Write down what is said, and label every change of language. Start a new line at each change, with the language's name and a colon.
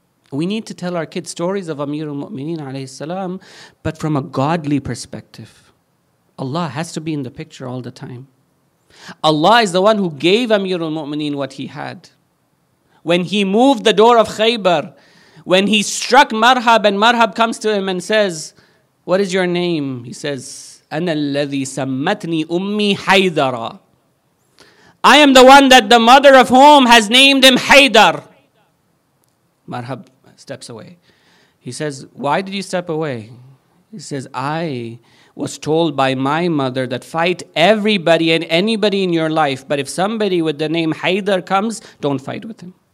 English: We need to tell our kids stories of Amir al-Mu'mineen alayhi salam, but from a godly perspective. Allah has to be in the picture all the time. Allah is the one who gave Amir al-Mu'mineen what he had. When he moved the door of Khaybar, when he struck Marhab and Marhab comes to him and says, what is your name?
Arabic: He says, أنا الذي سمتني أمي حيدرا.
English: I am the one that the mother of whom has named him Haydar. Marhab steps away. He says, why did you step away? He says, I was told by my mother that fight everybody and anybody in your life, but if somebody with the name Haydar comes, don't fight with him.